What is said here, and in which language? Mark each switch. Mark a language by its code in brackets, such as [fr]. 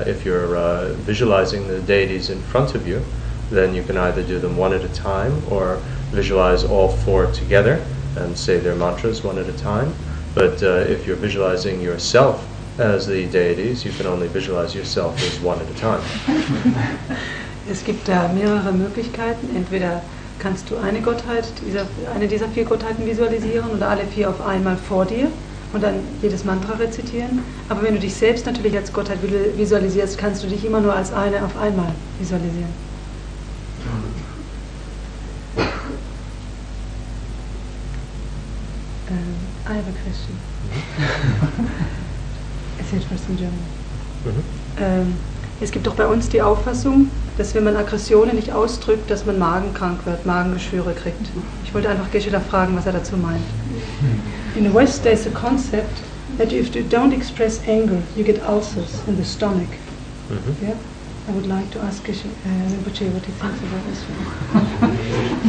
[en] If you're visualizing the deities in front of you, then you can either do them one at a time or visualize all four together and say their mantras one at a time. But if you're visualizing yourself as the deities, you can only visualize yourself as one at a time. [de] Es gibt da mehrere Möglichkeiten, entweder kannst du eine Gottheit, eine dieser vier Gottheiten visualisieren oder alle vier auf einmal vor dir und dann jedes Mantra rezitieren. Aber wenn du dich selbst natürlich als Gottheit visualisierst, kannst du dich immer nur als eine auf einmal visualisieren. [en] I have a question. I said first in German. [de] Es gibt doch bei uns die Auffassung, dass wenn man Aggressionen nicht ausdrückt, dass man magenkrank wird, Magengeschwüre kriegt. Ich wollte einfach Geshe-la fragen, was er dazu meint. [en] In the West there is a concept that if you don't express anger, you get ulcers in the stomach. Mm-hmm. Yeah? I would like to ask Rinpoche what he thinks about this one.